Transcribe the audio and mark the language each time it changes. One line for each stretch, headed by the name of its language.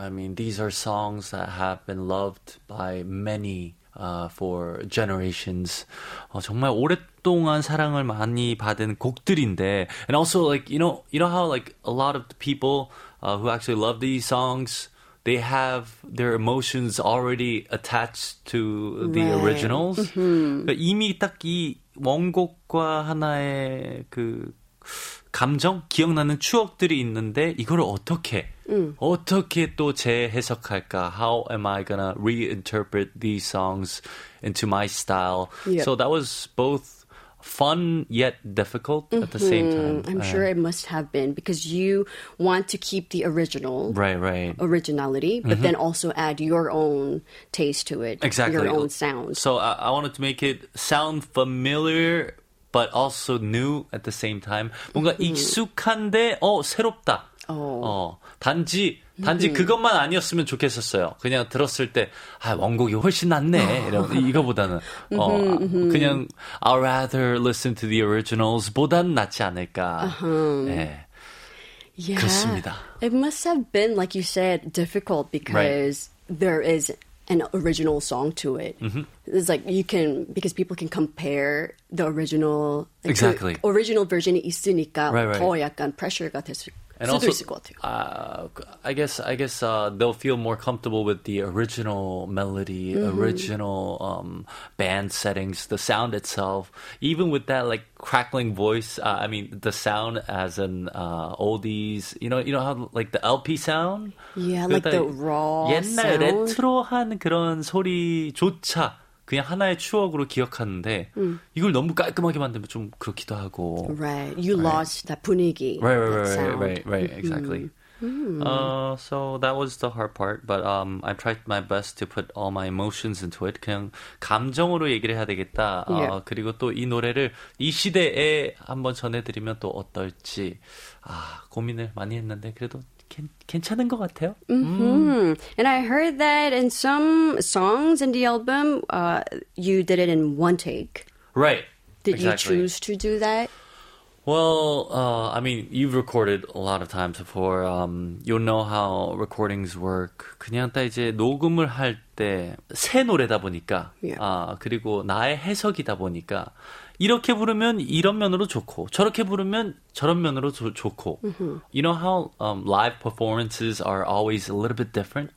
English: I mean, these are songs that have been loved by many for generations.
Korean: 정말 오랫동안 사랑을 많이 받은 곡들인데,
English: and also like you know how like a lot of the people who actually love these songs, they have their emotions already attached to the right. originals. Mm-hmm.
Korean: 그러니까 이미 딱 이 원곡과 하나의 그 감정, 기억나는 추억들이 있는데 이걸 어떻게 어떻게 또 재해석할까?
English: How am I gonna reinterpret these songs into my style? Yep. So that was both fun yet difficult mm-hmm. at the same time. I'm sure it must have been because you want to keep the original right. originality, but mm-hmm. then also add your own taste to it, exactly. your own sound. So I wanted to make it sound familiar, but also new at the same time.
Korean: 뭔가 mm-hmm. 익숙한데 새롭다. Oh. 단지 mm-hmm. 그것만 아니었으면 좋겠었어요. 그냥 들었을 때 아, 원곡이 훨씬 낫네. 이런 이거보다는 mm-hmm. 그냥
English: I'd rather listen to the originals
Korean: 보단 낫지 않을까. Uh-huh. 네.
English: Yeah.
Korean: 그렇습니다.
English: It must have been like you said difficult because right. there is an original song to it. Mm-hmm. It's like you can because people can compare the original like, exactly. the original version
Korean: 있으니까
English: right.
Korean: 더 약간 pressure가 됐을
English: And also, I guess they'll feel more comfortable with the original melody, mm-hmm. original band settings, the sound itself. Even with that, like, crackling voice, I mean, the sound as an oldies, you know how, like, the LP sound? Yeah, like the raw
Korean: 옛날
English: sound.
Korean: 옛날 레트로한 그런 소리조차. 그냥 하나의 추억으로 기억하는데 이걸 너무 깔끔하게 만들면 좀 그렇기도 하고
English: Right, you lost right. that 분위기 Right, exactly So that was the hard part But I tried my best to put all my emotions into it
Korean: 그냥 감정으로 얘기를 해야 되겠다
English: yeah.
Korean: 그리고 또 이 노래를 이 시대에 한번 전해드리면 또 어떨지 고민을 많이 했는데 그래도 괜찮은 것 같아요. Mm-hmm. Mm.
English: And I heard that in some songs in the album, you did it in one take. Right. Did exactly. you choose to do that? Well, I mean, you've recorded a lot of times before. You'll know how recordings work.
Korean: 그냥 딱 이제 녹음을 할 때 새 노래다 보니까
English: yeah.
Korean: 그리고 나의 해석이다 보니까 이렇게 부르면 이런 면으로 좋고 저렇게 부르면 저런 면으로 좋고 mm-hmm.
English: You know how live performances are always a little bit different?